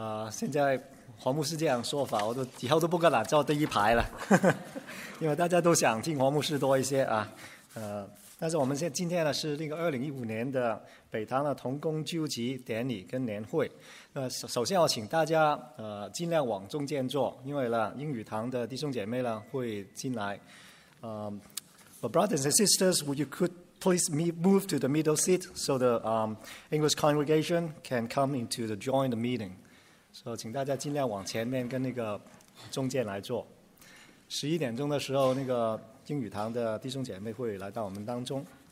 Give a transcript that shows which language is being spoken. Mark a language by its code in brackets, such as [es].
[zh] 现在黄牧师这样说法，我都以后都不敢来坐第一排了，因为大家都想听黄牧师多一些啊。但是我们今天呢是那个2015年的北堂的同工聚集典礼跟年会。首先我请大家尽量往中间坐，因为呢英语堂的弟兄姐妹呢会进来。 [en] But brothers and sisters, would you could please move to the middle seat so the English congregation can come into the join the meeting. [zh] So 请大家尽量往前面跟那个中间来坐。 11点钟的时候，那个英语堂的弟兄姐妹会来到我们当中。